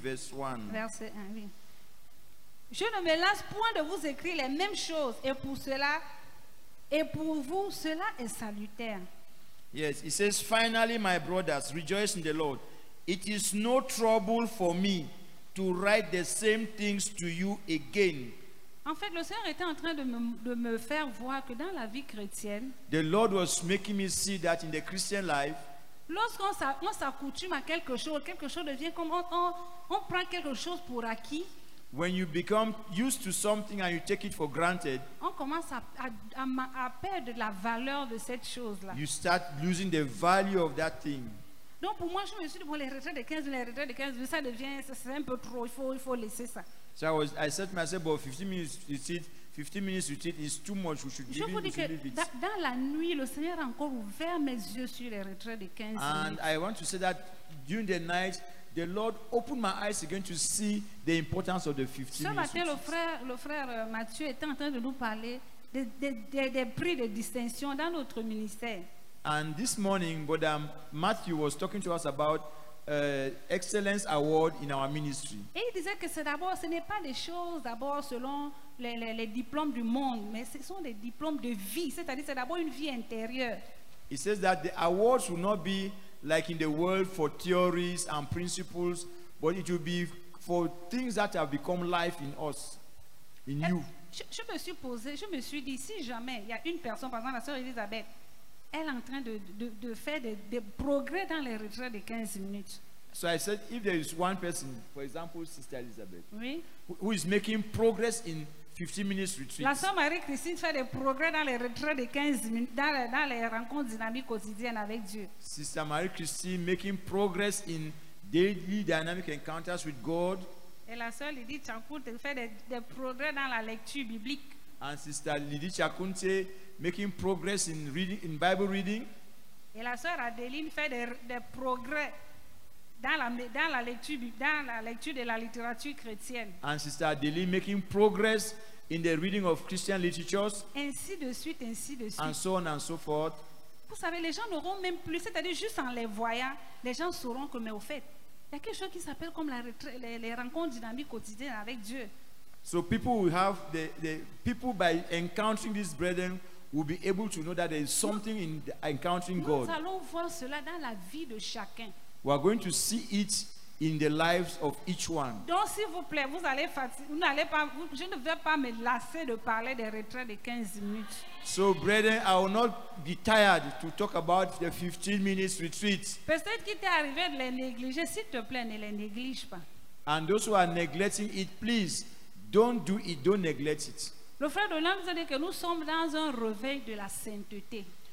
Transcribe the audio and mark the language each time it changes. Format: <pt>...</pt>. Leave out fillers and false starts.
<fr>Philippiens 3 verset 1. Je ne me lasse point de vous écrire les mêmes choses et pour cela. Et pour vous, cela est salutaire.</fr> <en>Yes, it says, finally, my brothers, rejoice in the Lord. It is no trouble for me to write the same things to you again.</en> <fr>En fait, le Seigneur était en train de me faire voir que dans la vie chrétienne,</fr> <en>the Lord was making me see that in the Christian life,</en> <fr>lorsqu'on s'accoutume à quelque chose devient comme on prend quelque chose pour acquis.</fr> <en>When you become used to something and you take it for granted,</en> <fr>on commence à perdre la valeur de cette chose-là.</fr> <en>You start losing the value of that thing.</en> <fr>Donc pour moi, je me suis dit, bon, les retraites de 15, ça devient, c'est un peu trop, il faut laisser ça.</fr> <en>So I said to myself, bon, 15 minutes retreat is too much, we should leave it.</en> <fr>Je vous dis que dans la nuit, le Seigneur a encore ouvert mes yeux sur les retraites de 15 minutes.</fr> <en>And I want to say that during the night, the Lord opened my eyes again to see the importance of the 15 minutes.</en> <fr>Ce matin, le frère Mathieu était en train de nous parler des prix de distinction dans notre ministère.</fr> <en>And this morning, Brother Matthew was talking to us about excellence award in our ministry.</en> <fr>Et il disait que ce n'est pas des choses d'abord selon les diplômes du monde, mais ce sont des diplômes de vie. C'est-à-dire, c'est d'abord une vie intérieure.</fr> <en>He says that the awards will not be like in the world for theories and principles, but it will be for things that have become life in us, in you.</en> <fr>Je me suis dit si jamais il y a une personne, par exemple la sœur Elisabeth, elle est en train de faire des progrès dans les retraits de 15 minutes.</fr> <en>So I said, if there is one person, for example Sister Elizabeth,</en> <fr>oui,</fr> <en>who is making progress in 15 minutes retreat.</en> <fr>La sœur Marie Christine fait des progrès dans les retraits de 15 minutes, dans les rencontres dynamiques quotidiennes avec Dieu.</fr> <en>Sister Marie Christine making progress in daily dynamic encounters with God.</en> <fr>Et la sœur Lydie Chakunte fait des progrès dans la lecture biblique.</fr> <en>And Sister Lydie Chakunte making progress in reading, in Bible reading.</en> <fr>Et la sœur Adeline fait des progrès dans la lecture de la littérature chrétienne.</fr> <en>And Sister Adeline making progress in the reading of Christian literatures.</en> <fr>Ainsi de suite.</fr> <en>And so on and so forth.</en> <fr>Vous savez, les gens n'auront même plus, c'est-à-dire juste en les voyant, les gens sauront que, mais au fait, Il y a quelque chose qui s'appelle comme la retraite, les rencontres dynamiques quotidiennes avec Dieu.</fr> <en>So people will have the people by encountering these brethren will be able to know that there is something in encountering God.</en> <fr>Nous allons voir cela dans la vie de chacun.</fr> <en>We are going to see it in the lives of each one.</en> <fr>Donc s'il vous plaît, vous allez vous n'allez pas vous, je ne vais pas me lasser de parler des retraites de 15 minutes.</fr> <en>So brethren, I will not be tired to talk about the 15 minutes retreat.</en> <fr>Peut-être qu'il t'est arrivé de les négliger, s'il te plaît, ne les néglige pas.</fr> <en>And those who are neglecting it, please don't do it, don't neglect it.</en> <fr>Le frère Donald nous a dit que nous sommes dans un réveil de la sainteté.</fr>